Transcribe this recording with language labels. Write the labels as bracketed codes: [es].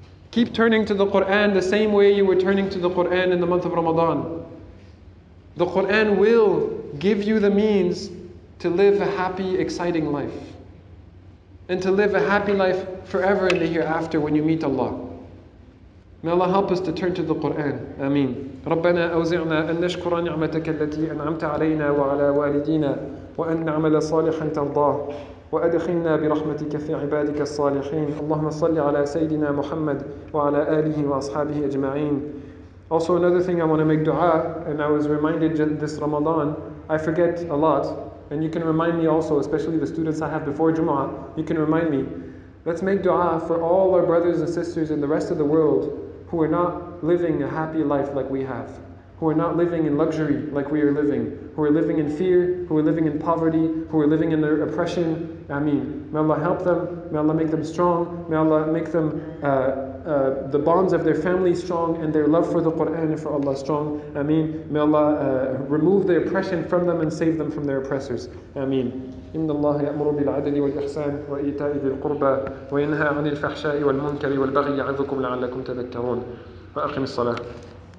[en] Keep turning to the Qur'an the same way you were turning to the Qur'an in the month of Ramadan. The Qur'an will give you the means to live a happy, exciting life. And to live a happy life forever in the hereafter when you meet Allah. May Allah help us to turn to the Qur'an. Ameen. [ar] رَبَّنَا أَوْزِعْنَا أَن نَشْكُرَ نِعْمَتَكَ الَّتِي أَنْعَمْتَ عَلَيْنَا وَعَلَى وَالِدِينَا وَأَنْ نَعْمَلَ صَالِحًا تَرْضَاهُ وأدخلنا برحمتك في عبادك الصالحين اللهم صل على سيدنا محمد وعلى آله وأصحابه أجمعين. [en] Also another thing, I want to make dua, and I was reminded this Ramadan, I forget a lot, and you can remind me also, especially the students I have before Jumu'ah, you can remind me. Let's make dua for all our brothers and sisters in the rest of the world who are not living a happy life like we have, who are not living in luxury like we are living, who are living in fear, who are living in poverty, who are living in their oppression. Ameen. May Allah help them, may Allah make them strong, may Allah make them the bonds of their family strong and their love for the Qur'an and for Allah strong. Ameen. May Allah remove the oppression from them and save them from their oppressors. Ameen. [ar] إن الله يأمر بالعدل والإحسان وإيتاء ذي القربى وينهى عن الفحشاء والمنكر والبغي يعظكم لعلكم تذكرون وأقم الصلاة